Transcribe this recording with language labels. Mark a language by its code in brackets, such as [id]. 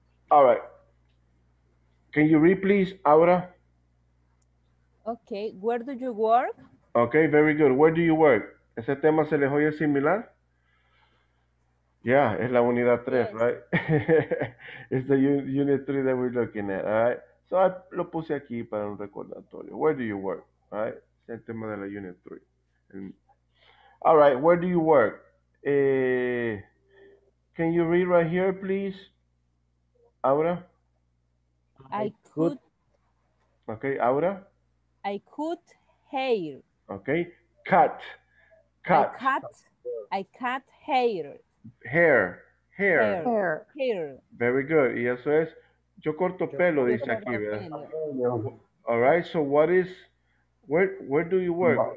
[en] All right. Can you read, please, Aura? Okay. Where do you work? Okay, very good. Where do you work? [es] Ese tema se les oye similar. Yeah, es la unidad 3, yes. Right? [en] It's the unit 3 that we're looking at, all right? [es] So I lo puse aquí para un recordatorio. [en] Where do you work, all right? [es] El tema de la [en] unit 3. And, all right, where do you work? Can you read right here, please? Aura? I could. Okay, Aura? I cut hair. Okay, cut. Cut. I cut hair. Hair. Hair. Hair. Hair. Very good. [es] Y eso es, yo corto pelo, dice aquí, ¿verdad? [en] All right, so what is, where do you work?